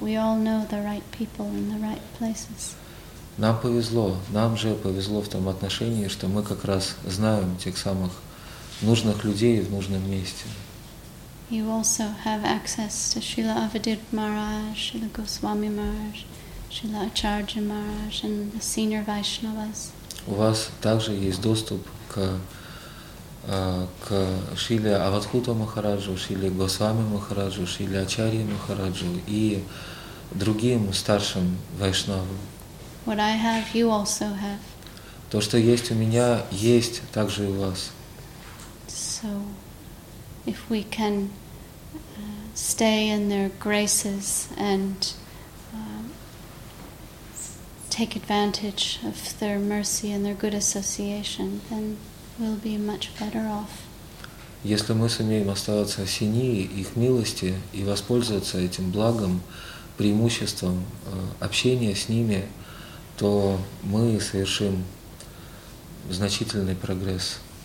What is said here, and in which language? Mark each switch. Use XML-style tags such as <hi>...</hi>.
<en>We all know the right people in the right places.</en> <ru>Нам повезло, нам же повезло в том отношении, что мы как раз знаем тех самых нужных людей в нужном месте.</ru> <en>You also have access to Srila Avadhut Maharaj, Srila Goswami Maharaj, Srila Acharya Maharaj and the senior Vaishnavas.</en> <ru>У вас также есть доступ к, к Шриле Авадхуту Махараджу, Шриле Госвами Махараджу, Шриле Ачарье Махараджу и другим старшим вайшнавам.</ru> <en>What I have, you also have.</en> <ru>То, что есть у меня, есть также и у вас.</ru> <en>So, if we can stay in their graces and take advantage of their mercy and their good association, then we'll be much better off.</en> <ru>Если мы сумеем оставаться в сени их милости и воспользоваться этим благом, преимуществом общения с ними, то мы совершим значительный прогресс.</ru>